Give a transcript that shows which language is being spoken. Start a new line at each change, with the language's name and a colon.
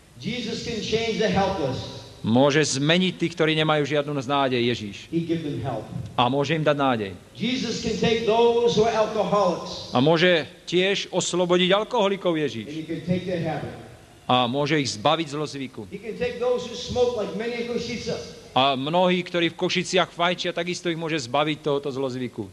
English: Jesus can change the helpless.
Slovak: Môže zmeniť tých, ktorí nemajú žiadnu nádej, Ježíš. A môže im dať nádej.
English: Jesus can take those who are alcoholics.
Slovak: A môže tiež oslobodiť alkoholikov, Ježíš.
English: And he can take their habit.
Slovak: A môže ich zbaviť zlozvyku.
English: He can take those who smoke like many in Košice.
Slovak: A mnohí, ktorí v Košiciach fajčia, takisto ich môže zbaviť tohoto zlozvyku.